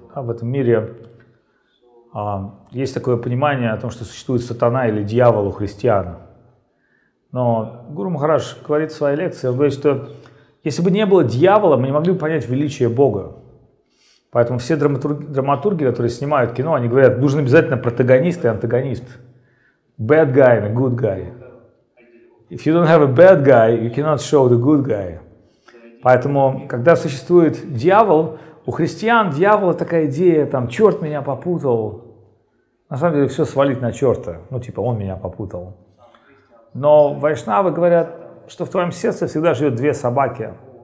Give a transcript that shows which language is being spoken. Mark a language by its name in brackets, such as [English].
[Russian] А в этом мире есть такое понимание о том, что существует сатана или дьявол у христиан. Но Гуру Махарадж говорит в своей лекции, он говорит, что если бы не было дьявола, мы не могли бы понять величие Бога. Поэтому все драматурги, которые снимают кино, они говорят, нужен обязательно протагонист и антагонист. [English] Bad guy and good guy. If you don't have a bad guy, you cannot show the good guy. [Russian] Поэтому, когда существует дьявол, у христиан дьявола такая идея, там, черт меня попутал. На самом деле, все свалить на черта. Ну, типа, он меня попутал. Но вайшнавы говорят, что в твоем сердце всегда живет две собаки.